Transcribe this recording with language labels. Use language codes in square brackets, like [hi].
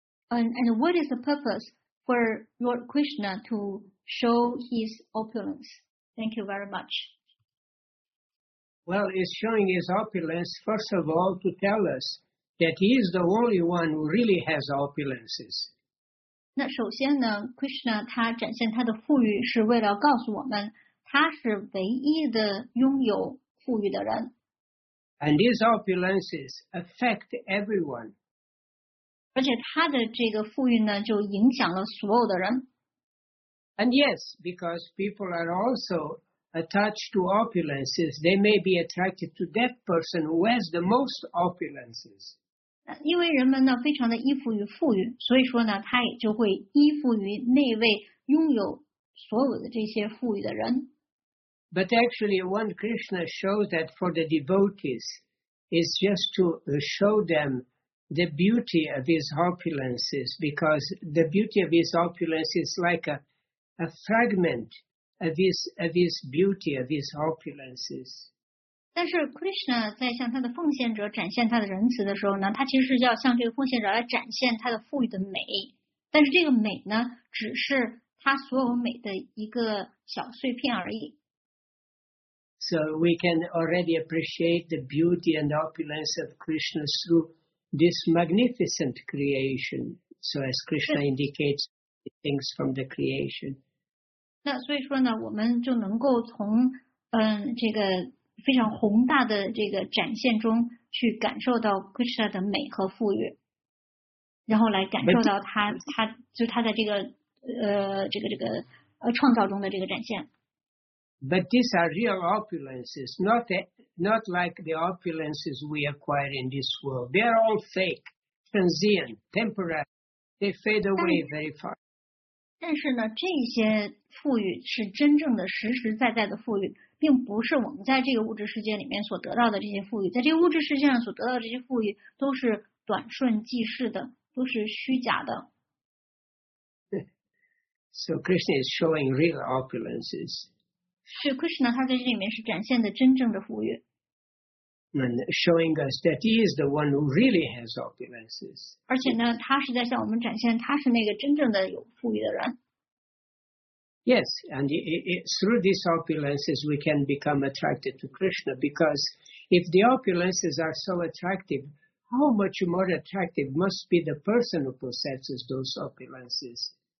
[en] And what is the purpose for Lord Krishna to show his opulence? Thank you very much. Well, he's showing his opulence, first of all, to tell us that he is the only one who really has opulences. [zh] 那首先呢 ,Krishna 他展现他的富裕是为了告诉我们他是唯一的拥有富裕的人。 [en] And these opulences affect everyone. [zh] 而且他的这个富裕呢就影响了所有的人。 [en] And yes, because people are also attached to opulences, they may be attracted to that person who has the most opulences. [zh] 因为人们呢非常的依附于富裕，所以说呢他也就会依附于那位拥有所有的这些富裕的人。 [en] But actually, one Krishna shows that for the devotees is just to show them the beauty of his opulences, because the beauty of his opulence is like a fragment of his beauty, of his opulences. [zh] 但是 Krishna 在向他的奉献者展现他的仁慈的时候呢，他其实是要向这个奉献者来展现他的富裕的美。但是这个美呢，只是他所有美的一个小碎片而已。 [en] So we can already appreciate the beauty and opulence of Krishna through this magnificent creation. So as Krishna indicates, things from the creation. [zh] 那所以说呢，我们就能够从这个非常宏大的这个展现中去感受到 Krishna 的美和富裕，然后来感受到他在这个创造中的这个展现。 [en] But these are real opulences, not like the opulences we acquire in this world. They are all fake, transient, temporary. They fade away very fast. [zh] 但是呢，这些富裕是真正的、实实在在的富裕，并不是我们在这个物质世界里面所得到的这些富裕。在这个物质世界上所得到的这些富裕都是短瞬即逝的，都是虚假的。 [en] So Krishna is showing real opulences. [zh] 是 Krishna 他在这里面是展现的真正的富裕 [en] and showing us that he is the one who really has opulences. [zh] 而且呢他是在向我们展现他是那个真正的有富裕的人。 [en] Yes, and through these opulences we can become attracted to Krishna, because if the opulences are so attractive, how much more attractive must be the person who possesses those opulences?